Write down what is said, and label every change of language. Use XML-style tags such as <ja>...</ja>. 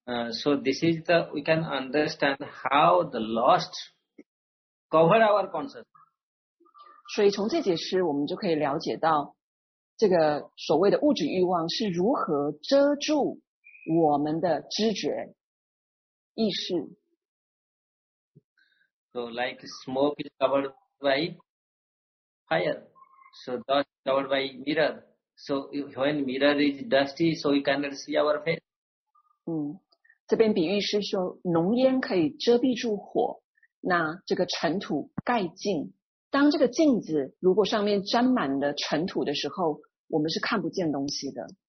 <en>So this is the, we can understand how the lost cover our consciousness.</en> <zh>所以从这节诗我们就可以了解到这个所谓的物质欲望是如何遮住我们的知觉意识。</zh> <en>So like smoke is covered by fire, so dust is covered by mirror. So when mirror is dusty, so we cannot see our face.</en> <zh>这边比喻是说浓烟可以遮蔽住火，那这个尘土盖镜，当这个镜子如果上面沾满了尘土的时候，我们是看不见东西的。</zh>